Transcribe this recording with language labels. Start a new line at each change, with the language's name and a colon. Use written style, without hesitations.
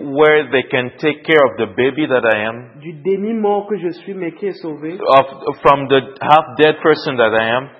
English: where they can take care of the baby that I am,
French: du demi-mort que je suis, mais qui est sauvé,
English: from the half-dead person that I am,